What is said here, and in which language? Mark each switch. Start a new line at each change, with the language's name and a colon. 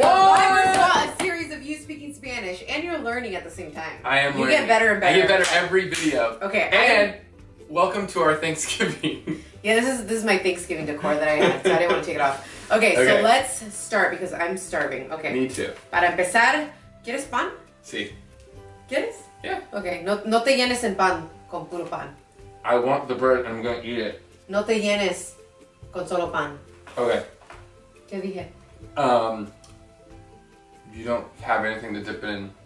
English: Why not a series of you speaking Spanish and you're learning at the same time? I am you learning. You get better and better. I get better every video. Okay. And welcome to our Thanksgiving. Yeah, this is my Thanksgiving decor that I have, so I didn't want to take it off. Okay, okay, so let's start because I'm starving. Okay. Me too.
Spanish: Para empezar, ¿quieres pan? Sí. ¿Quieres?
English: Yeah. Okay.
Spanish: No te llenes en pan con puro pan.
English: I want the bread and I'm going to eat it.
Spanish: No te llenes con solo pan.
English: Okay.
Spanish: ¿Qué dije?
English: You don't have anything to dip it in.